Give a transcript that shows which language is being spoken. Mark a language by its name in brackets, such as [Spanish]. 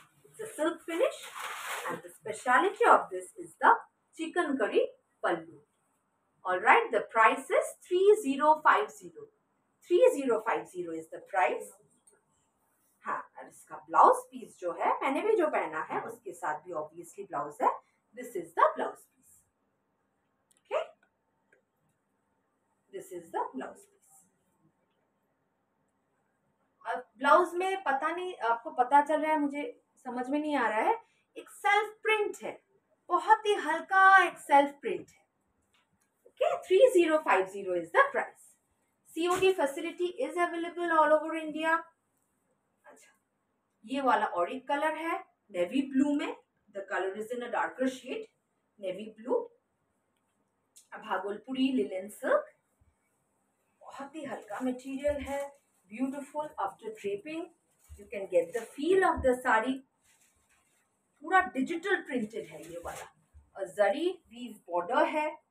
[English] It's a silk finish and the speciality of this is the chikankari pallu. All right, the price is 3050. 3050 is the price. [Hindi] हाँ, और इसका blouse piece जो है, मैंने भी जो पहना है उसके साथ भी obviously ब्लाउज है। [English] This is the blouse piece. Okay? This is the blouse piece. [Hindi] अब ब्लाउज में पता नहीं आपको पता चल रहा है, मुझे समझ में नहीं आ रहा है, एक सेल्फ प्रिंट है, बहुत ही हल्का एक सेल्फ प्रिंट है। [English] 3050 is the price. COD facility is available all over India. [Hindi] अच्छा, ये वाला और एक कलर है, नेवी ब्लू में। [English] The color is in a darker shade, navy blue. [Hindi] Bhagalpuri linen silk, बहुत ही हल्का मटेरियल है, beautiful. [English] After draping you can get the feel of the sari. [Hindi] पूरा डिजिटल प्रिंटेड है ये वाला, और जरी वीव बॉर्डर है।